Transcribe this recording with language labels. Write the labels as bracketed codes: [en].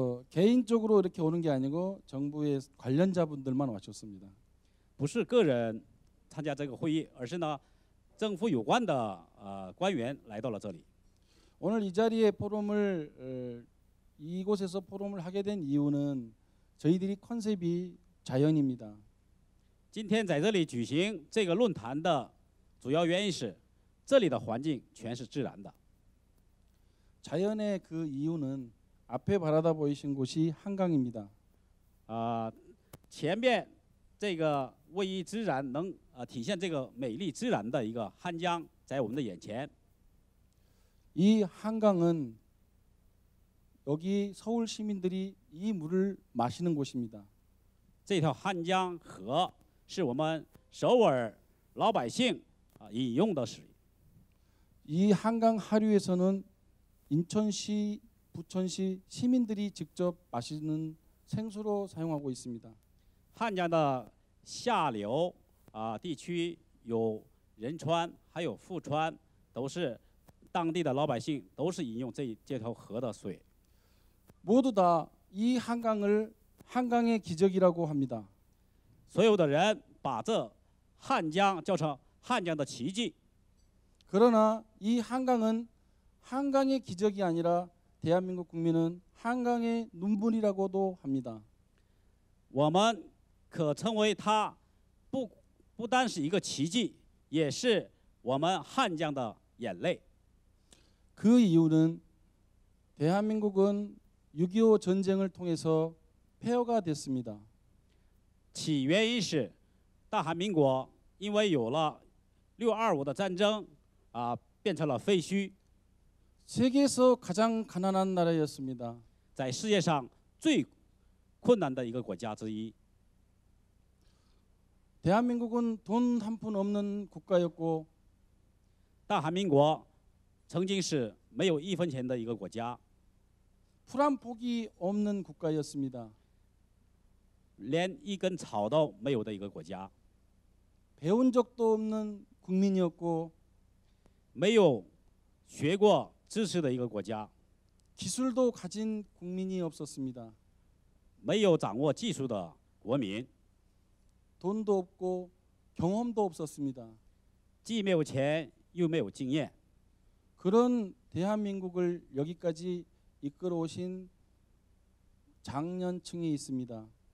[ko] 개인적으로이렇게오는게아니고정부의관련자분들만와셨습니다 [zh] 不是个人参加这个会议，而是呢，政府有关的官员来到了这里。 [ko] 오늘이자리에포럼을이곳에서포럼을하게된이유는저희들이컨셉이자연입니다 [zh] 今天在这里举行这个论坛的主要原因是，这里的环境全是自然的。 [ko] 자연의그이유는앞에바라다보이신곳이한강입니다 [zh] 前面这个位于自然能体现这个美丽自然的一个汉江在我们的眼前 [ko] 이한강은여기서울시민들이이물을마시는곳입니다 [zh] 这条汉江河是我们首尔老百姓饮用的水 [ko] 이한강하류에서는인천시부천시시민들이직접마시는생수로사용하고있습니다 한양의 [zh] 下流地区有仁川还有富川都是当地的老百姓都是饮用这条河的水 [ko] 모두다이한강을한강의기적이라고합니다 [zh] 所有的人把这汉江叫成汉江的奇迹 [ko] 그러나이한강은한강의기적이아니라대한민국국민은한강의눈물이라고도합니다 [zh] 我们可称为它不单是一个奇迹也是我们汉江的眼泪 [ko] 그이유는대한민국은 6.25 전쟁을통해서폐허가됐습니다 [zh] 起源于是大韩民国因为有了625的战争变成了废墟 [ko] 세계에서가장가난한나라였습니다 [zh] 在世界上最困难的一个国家之一 [ko] 대한민국은돈한푼없는국가였고 [zh] 大韩民国曾经是没有一分钱的一个国家 [ko] 풀한폭이없는국가였습니다 [zh] 连一根草都没有的一个国家 [ko] 배운적도없는국민이었고 [zh] 没有学过知识的一个国家 [ko] 기술도가진국민이없었습니다 [zh] 没有掌握技术的国民 [ko] 돈도없고경험도없었습니다 [zh] 既没有钱又没有经验 [ko] 그런대한민국을여기까지이끌어오신장년층이있습니다